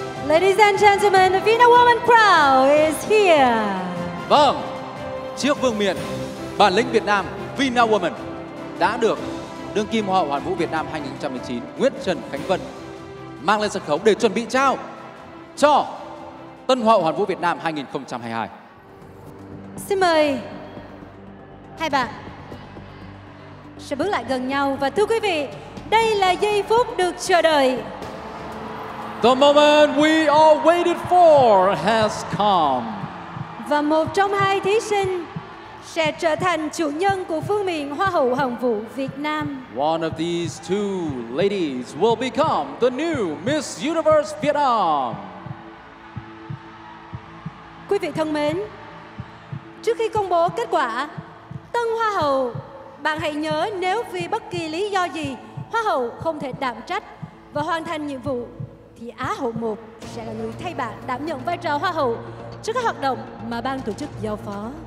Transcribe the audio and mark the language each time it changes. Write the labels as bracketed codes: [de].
[en] Ladies and gentlemen, the Vina Woman crowd is here. [vi] Vâng, trước vương miện, bản lĩnh Việt Nam, Vina Woman đã được đương kim hoa hậu hoàn vũ Việt Nam 2019 Nguyễn Trần Khánh Vân mang lên sân khấu để chuẩn bị trao cho tân hoa hậu hoàn vũ Việt Nam 2022. Xin mời hai bạn sẽ bước lại gần nhau và thưa quý vị, đây là giây phút được chờ đợi. [en] The moment we all waited for has come. [vi] Và một trong hai thí sinh sẽ trở thành chủ nhân của phương miện Hoa hậu Hồng vũ Việt Nam. [en] One of these two ladies will become the new Miss Universe Vietnam. [vi] Quý vị thân mến, trước khi công bố kết quả tân Hoa hậu, bạn hãy nhớ nếu vì bất kỳ lý do gì Hoa hậu không thể đảm trách và hoàn thành nhiệm vụ, thì Á hậu 1 sẽ là người thay bạn đảm nhận vai trò hoa hậu trước các hoạt động mà ban tổ chức giao phó.